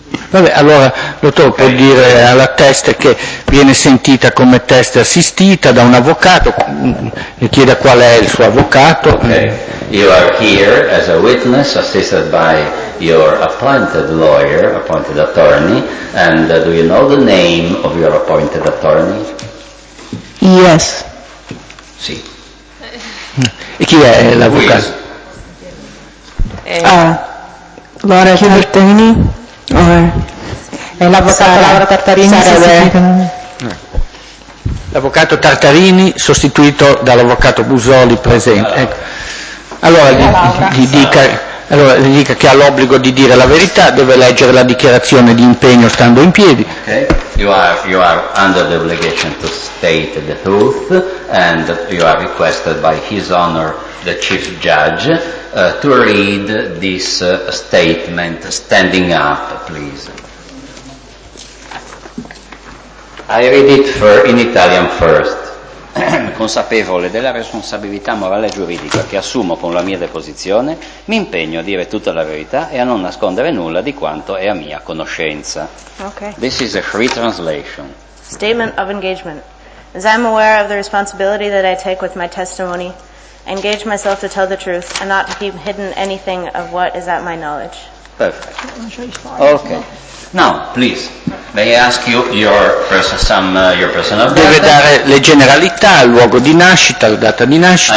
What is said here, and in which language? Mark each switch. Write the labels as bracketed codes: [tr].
[it] Vabbè, allora, dottor, può dire alla test che viene sentita come test assistita da un avvocato, le chieda qual è il suo avvocato. [en] Okay. You are here as a witness assisted by your appointed lawyer, appointed attorney, and do you know the name of your appointed attorney? Yes. [it] Sì. E chi è l'avvocato? Laura Tartarini. È l'avvocato Laura Tartarini. L'avvocato Tartarini sostituito dall'avvocato Busoli presente. Ecco. Allora gli dica che ha l'obbligo di dire la verità, deve leggere la dichiarazione di impegno stando in piedi. [en] Okay. You are under the obligation to state the truth and you are requested by His Honor the Chief Judge to read this statement standing up, please. I read it in Italian first. [it] Consapevole della responsabilità morale e giuridica che assumo con la mia deposizione, mi impegno a dire tutta la verità e a non nascondere nulla di quanto è a mia conoscenza. [en] Okay. This is a free translation. Statement of engagement. As I am aware of the responsibility that I take with my testimony, I engage myself to tell the truth and not to keep hidden anything of what is at my knowledge. Perfect. Okay. Now, please, may I ask you your personal data? [it] Deve dare le generalità, il luogo di nascita, la data di nascita.